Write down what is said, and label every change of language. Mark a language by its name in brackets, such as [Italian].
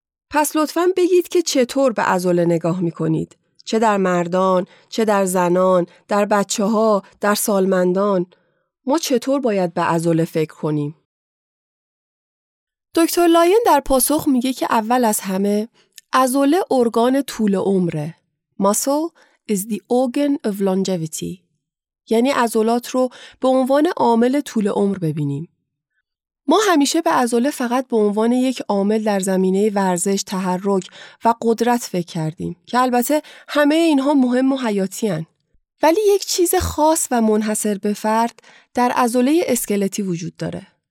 [Persian] پس لطفاً بگید که چطور به عضله نگاه میکنید؟ چه در مردان، چه در زنان، در بچه‌ها، در سالمندان، ما چطور باید به عضله فکر کنیم؟ دکتر لاین در پاسخ میگه که اول از همه عضله ارگان طول عمره. [English] Muscle is the organ of longevity. [Persian] یعنی عضلات رو به عنوان عامل طول عمر ببینیم. ما همیشه به عضله فقط به عنوان یک عامل در زمینه ورزش، تحرک و قدرت فکر کردیم که البته همه اینها مهم و حیاتی هن. ولی یک چیز خاص و منحصر به فرد در عضله اسکلتی وجود داره.